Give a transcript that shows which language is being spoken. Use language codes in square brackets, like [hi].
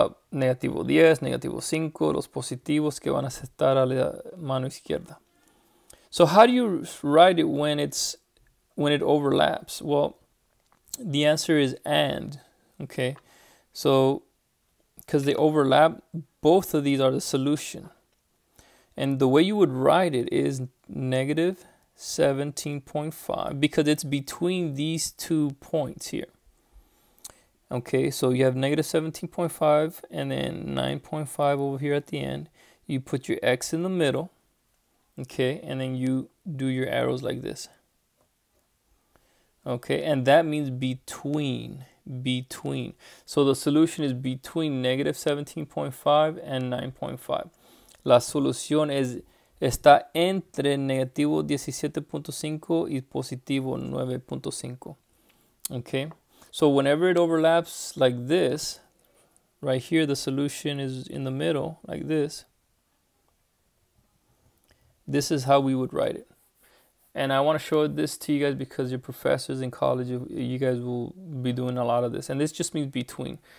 [es] Negativo 10, negativo 5, los positivos que van a estar a la mano izquierda. [en] So how do you write it when it overlaps? Well, the answer is and, okay? So, because they overlap, both of these are the solution. And the way you would write it is negative 17.5, because it's between these two points here. Okay, so you have negative 17.5 and then 9.5 over here at the end. You put your X in the middle, okay, and then you do your arrows like this. Okay, and that means between. So the solution is between negative 17.5 and 9.5. [es] La solución es está entre negativo 17.5 y positivo 9.5. [en] Okay, so whenever it overlaps like this, right here, the solution is in the middle, like this. This is how we would write it. And I want to show this to you guys because your professors in college, you guys will be doing a lot of this. And this just means between.